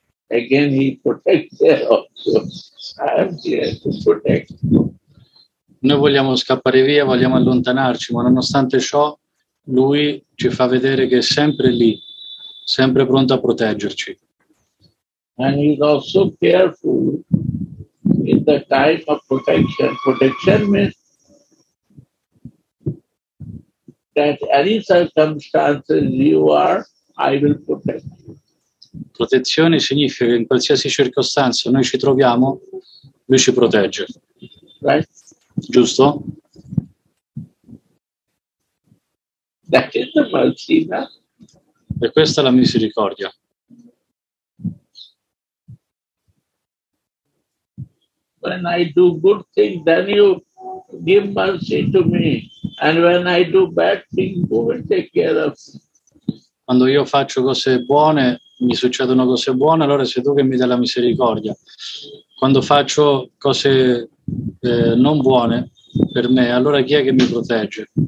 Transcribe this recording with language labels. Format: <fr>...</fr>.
<en>Again, he protects there also. I am here to protect.</en> <it>Noi vogliamo scappare via, vogliamo allontanarci, ma nonostante ciò, lui ci fa vedere che è sempre lì, sempre pronto a proteggerci.</it> <en>And he is also careful in the type of protection. Protection means that any circumstances you are, I will protect you.</en> <it>Protezione significa che in qualsiasi circostanza noi ci troviamo, lui ci protegge.</it> <en>Right?</en> <it>Giusto?</it> <en>That is the mercy, no?</en> <it>E questa è la misericordia.</it> <en>When I do good things, then you give mercy to me. And when I do bad things, who will take care of me?</en> <it>Quando io faccio cose buone, mi succedono cose buone, allora sei tu che mi dai la misericordia. Quando faccio cose non buone per me, allora chi è che mi protegge?</it>